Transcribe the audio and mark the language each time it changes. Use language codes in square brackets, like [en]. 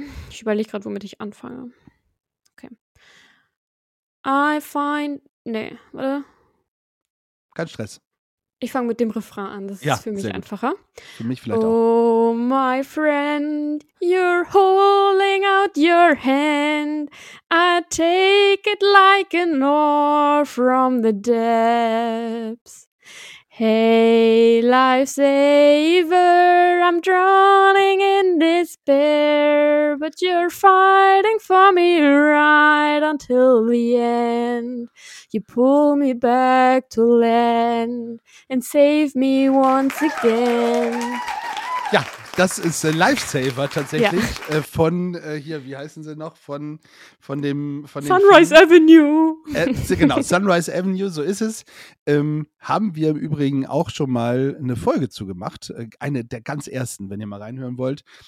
[de] Ich überlege gerade, womit ich anfange. [en] I find... [de] Nee, warte. Kein Stress. Ich fange mit dem Refrain an, das ja, ist für mich einfacher. Für mich vielleicht auch. [en] Oh, my friend, you're holding out your hand. I take it like an oar from the depths. Hey, lifesaver, I'm drowning in despair, but you're fighting for me right until the end. You pull me back to land and save me once again. [de] Ja, das ist Lifesaver tatsächlich von, hier, wie heißen sie noch, von dem Sunrise Film. Avenue. Genau, Sunrise Avenue, so ist es. Haben wir im Übrigen auch schon mal eine Folge zugemacht, eine der ganz ersten, wenn ihr mal reinhören wollt.